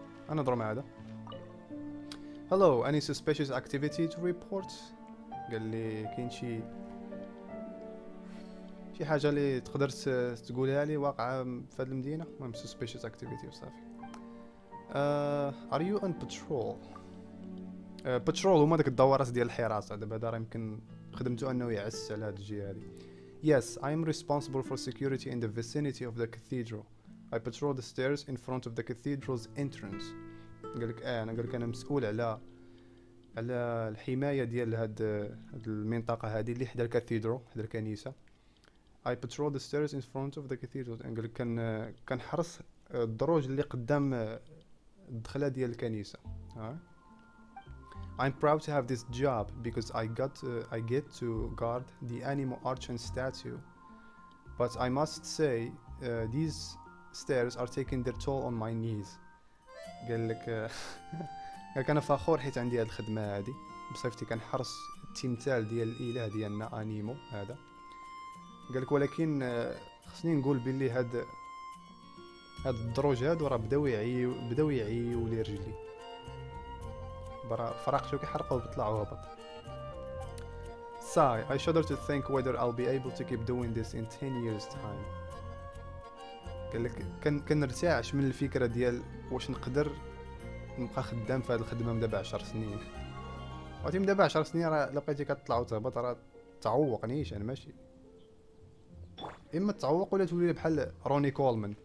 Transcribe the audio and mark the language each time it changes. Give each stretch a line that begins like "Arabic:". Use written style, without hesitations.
Arabic: انا نضرب مع هذا.
English: Hello any suspicious activity to report?
Arabic: قال لي كاين شي حاجة اللي تقدر تقولها لي واقعة في هذه المدينة. المهم suspicious activity وصافي.
English: Are you on patrol؟
Arabic: patrول هما داك الدوارات ديال الحراسة، دابا هذا راه يمكن خدمته انه يعس على هذه الجهة هذه.
English: Yes, I'm responsible for security in the vicinity of the cathedral. I patrol the stairs in front of the cathedral's entrance.
Arabic: قالك اه انا قالك انا مسؤول على الحماية ديال هاد المنطقة هذه اللي حدا الكاثيدرو، حدا الكنيسة.
English: I patrol the stairs in front of the cathedral.
Arabic: قال لك كنحرس الدروج اللي قدام الدخله ديال الكنيسه.
English: I'm proud to have this job because I get to guard the animal arch and statue. But I must say these stairs are taking their toll on my knees.
Arabic: قال لك انا فخور حيت عندي هذه الخدمه هذه، بصيفتي كنحرس التمثال ديال الاله ديالنا انيمو هذا. قالك ولكن خصني نقول بلي هاد الدروج هادو راه بداو يعيو لي رجلي، فراقتو كيحرقو وطلعو هبط.
English: Say I shudder to think whether I'll be able to keep doing this in 10 years time.
Arabic: قالك كنرتاعش من الفكرة ديال واش نقدر نبقى خدام في هاد الخدمة من دابا 10 سنين. وقتي من دابا 10 سنين راه لقيتي كطلعو تهبط راه تعوقنيش انا، ماشي اما تعوق ولا تولي بحال روني كولمان.